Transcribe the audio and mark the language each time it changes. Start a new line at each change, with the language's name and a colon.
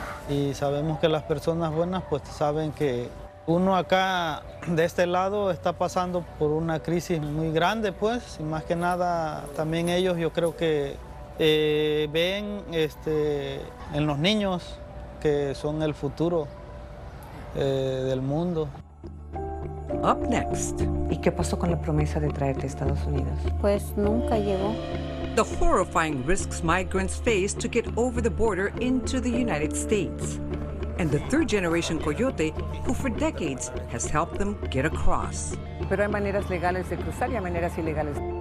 Spanish: Y sabemos que las personas buenas pues saben que uno acá de este lado está pasando por una crisis muy grande, pues, y más que nada también ellos yo creo que ven en los niños que son el futuro del mundo.
English: Up next.
Spanish: ¿Y qué pasó con la promesa de traerte a Estados Unidos? Pues nunca llegó.
English: The horrifying risks migrants face to get over the border into the United States. And the third generation coyote who for decades has helped them get across.
Spanish: Pero hay maneras legales de cruzar y hay maneras ilegales.